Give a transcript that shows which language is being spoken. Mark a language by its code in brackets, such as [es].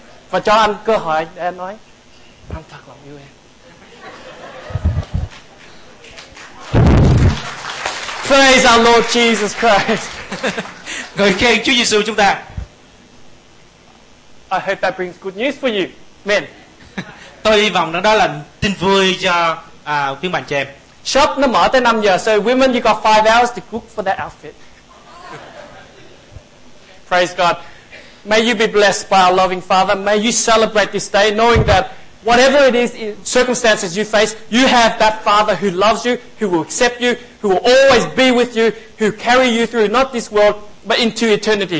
[vi] Và cho anh cơ hội để anh nói anh thật lòng yêu em. [en] Praise our Lord Jesus Christ. [vi] Ngợi khen Chúa Giêsu chúng ta. [en] I hope that brings good news for you, men. [vi] Tôi hy vọng đó là tin vui cho phiên bản trẻ. Shop nó mở tới 5 giờ, [en] so women you got 5 hours to cook for that outfit. Praise God. May you be blessed by our loving Father. May you celebrate this day knowing that whatever it is, circumstances you face, you have that Father who loves you, who will accept you, who will always be with you, who carry you through not this world, but into eternity.